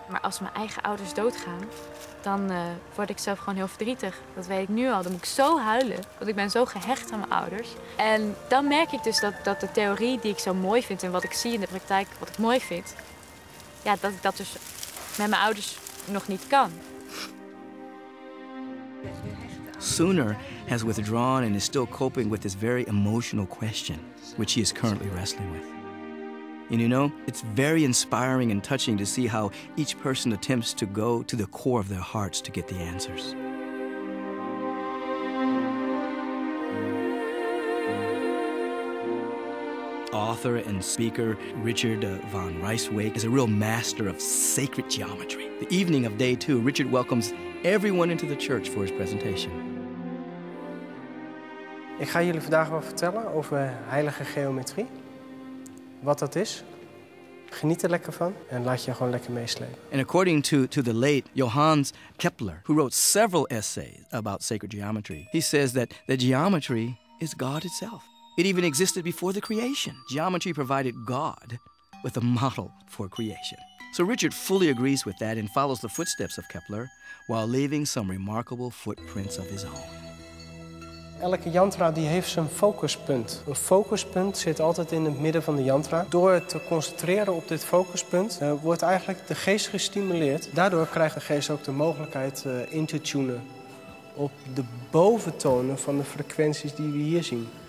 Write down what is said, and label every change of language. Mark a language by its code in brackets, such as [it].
[nl] Maar als mijn eigen ouders doodgaan, dan word ik zelf gewoon heel verdrietig. Dat weet ik nu al. Dan moet ik zo huilen, want ik ben zo gehecht aan mijn ouders. En dan merk ik dus dat de theorie die ik zo mooi vind en wat ik zie in de praktijk, wat ik mooi vind, ja, dat ik dat dus met mijn ouders nog niet kan. [en] Sooner has withdrawn and is still coping with this very emotional question, which he is currently wrestling with. And you know, it's very inspiring and touching to see how each person attempts to go to the core of their hearts to get the answers. Author and speaker Richard von Reisweg is a real master of sacred geometry. The evening of day 2, Richard welcomes everyone into the church for his presentation. [nl] Ik ga jullie vandaag wel vertellen over heilige geometrie. Wat dat is. Geniet er lekker van en laat je gewoon lekker meeslepen. [en] And according to the late Johannes Kepler, who wrote several essays about sacred geometry, he says that the geometry is God itself. It even existed before the creation. Geometry provided God with a model for creation. So Richard fully agrees with that and follows the footsteps of Kepler while leaving some remarkable footprints of his own. [nl] Elke yantra die heeft zijn focuspunt. Een focuspunt zit altijd in het midden van de yantra. Door te concentreren op dit focuspunt wordt eigenlijk de geest gestimuleerd. Daardoor krijgt de geest ook de mogelijkheid in te tunen op de boventonen van de frequenties die we hier zien.